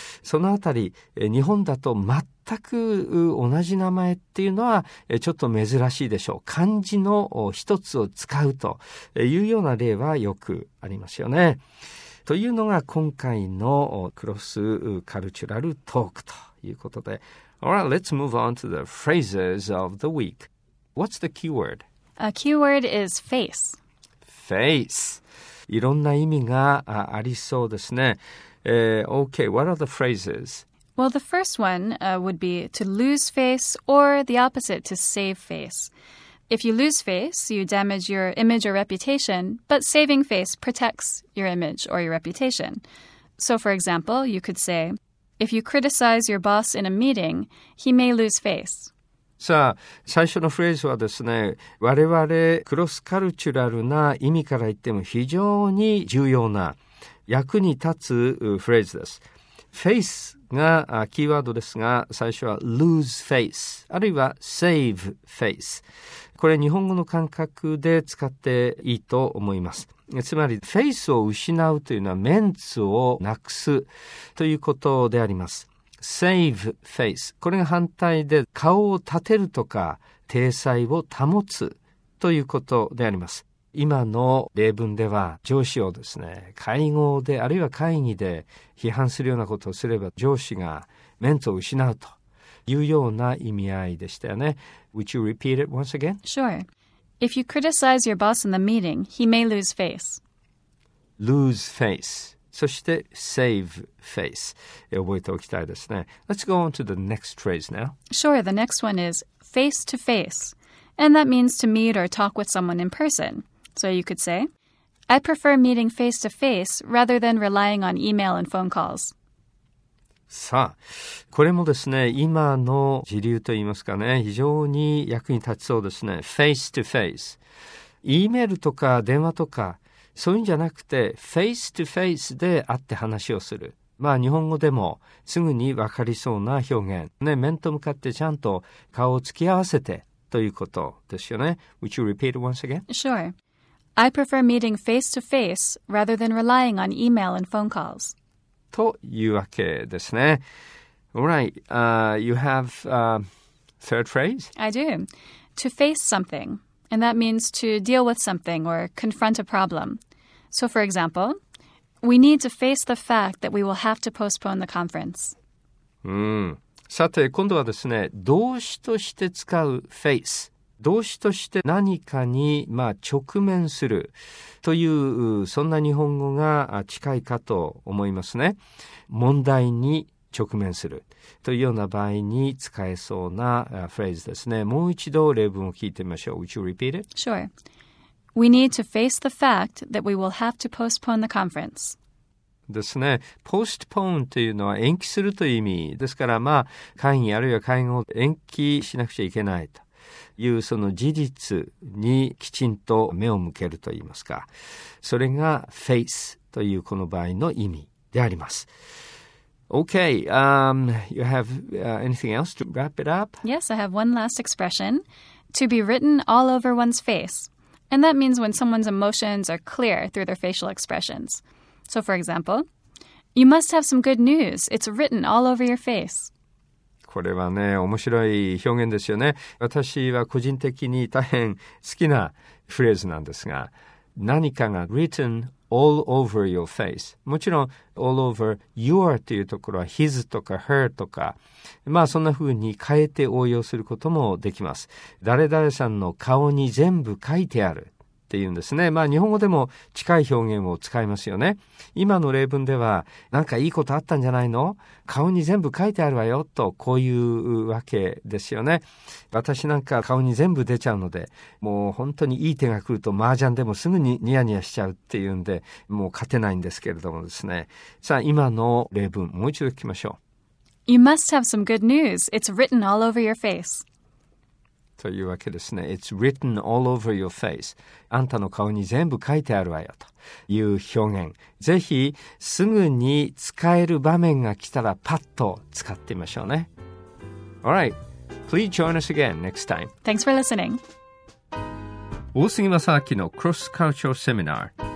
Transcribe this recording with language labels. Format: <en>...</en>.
<ja>そのあたり、日本だと全く同じ名前っていうのはちょっと珍しいでしょう。漢字の一つを使うというような例はよくありますよね。というのが今回のクロスカルチュラルトークということで。</ja> <en>All right, let's move on to the phrases of the week. What's the keyword? A keyword is face. Face.</en> <ja>いろんな意味がありそうですね。</ja> <en>Okay, what are the phrases? Well, the first one would be to lose face, or the opposite, to save face. If you lose face, you damage your image or reputation, but saving face protects your image or your reputation. So, for example, you could say, if you criticize your boss in a meeting, he may lose face.</en> <ja>さあ、最初のフレーズはですね、我々クロスカルチュラルな意味から言っても非常に重要な役に立つフレーズです。 Face がキーワードですが、最初は lose face、あるいは save face。これ日本語の感覚で使っていいと思います。つまりフェイスを失うというのはメンツをなくすということであります。</ja> <en>Save face。</en> <ja>これが反対で顔を立てるとか体裁を保つということであります。今の例文では上司をですね、会合であるいは会議で批判するようなことをすれば上司がメンツを失うというような意味合いでしたよね。</ja> <en>Would you repeat it once again? Sure. If you criticize your boss in the meeting, he may lose face. Lose face.</en> <ja>そして save face 覚えておきたいですね。</ja> <en>Let's go on to the next phrase now. Sure, the next one is face to face. And that means to meet or talk with someone in person. So you could say, I prefer meeting face to face rather than relying on email and phone calls.</en> <ja>さあ、これもですね、今の時流といいますかね、非常に役に立ちそうですね。</ja> <en>face to face。</en> <ja>E メールとか電話とか、そういうんじゃなくて、face to face で会って話をする。まあ、日本語でもすぐに分かりそうな表現。ね、面と向かってちゃんと顔を突き合わせてということですよね。</ja> <en>Would you repeat it once again? Sure. I prefer meeting face to face rather than relying on email and phone calls.</en> <ja>というわけですね。</ja> <en>All right. You have a third phrase? I do. To face something. And that means to deal with something or confront a problem. So, for example, we need to face the fact that we will have to postpone the conference.</en> <ja>さて、今度はですね、動詞として使う face。動詞として何かに、まあ、直面するというそんな日本語が近いかと思いますね。問題に直面するというような場合に使えそうなフレーズですね。もう一度例文を聞いてみましょう。</ja> <en>Would you repeat it? Sure. We need to face the fact that we will have to postpone the conference.</en> <ja>ですね。 postpone というのは延期するという意味ですから、まあ、会議あるいは会合を延期しなくちゃいけないと。いうその事実にきちんと目を向けるといいますか、それが face というこの場合の意味であります。</ja> <en>OK、you have anything else to wrap it up? Yes, I have one last expression. To be written all over one's face. And that means when someone's emotions are clear through their facial expressions. So for example, you must have some good news. It's written all over your face.</en> <ja>これはね、面白い表現ですよね。私は個人的に大変好きなフレーズなんですが、何かが</ja> <en>written all over your face。</en> <ja>もちろん、all over your というところは、his とか her とか、まあそんな風に変えて応用することもできます。誰々さんの顔に全部書いてあるっていうんですね。まあ日本語でも近い表現を使いますよね。今の例文では、なんかいいことあったんじゃないの? 顔に全部書いてあるわよと、こういうわけですよね。私なんか顔に全部出ちゃうので、もう本当にいい手が来ると麻雀でもすぐにニヤニヤしちゃうっていうんで、もう勝てないんですけれどもですね。さあ、今の例文もう一度聞きましょう。</ja> <en>You must have some good news. It's written all over your face.</en> <ja>というわけですね。</ja> <en>It's written all over your face.</en> <ja>あんたの顔に全部書いてあるわよという表現、ぜひすぐに使える場面が来たらパッと使ってみましょうね。</ja> <en>Alright, please join us again next time. Thanks for listening.</en> <ja>大杉正明のクロスカルチャルセミナー</ja>